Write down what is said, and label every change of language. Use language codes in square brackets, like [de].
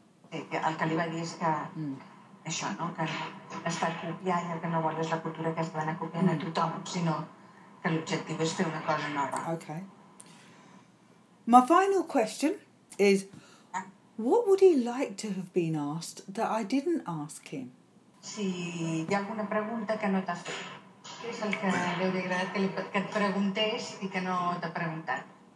[ca] El que li va dir és que això, no? Que està copiant i el que no vol és la cultura que està copiant a tothom, sinó que l'objectiu és fer una cosa nova. [en] Okay. My final question is, what would he like to have been asked that I didn't ask him? [ca] Si hi ha alguna pregunta que no t'ha fet. Què és el que li hauria agradat que et preguntés i que no t'ha preguntat?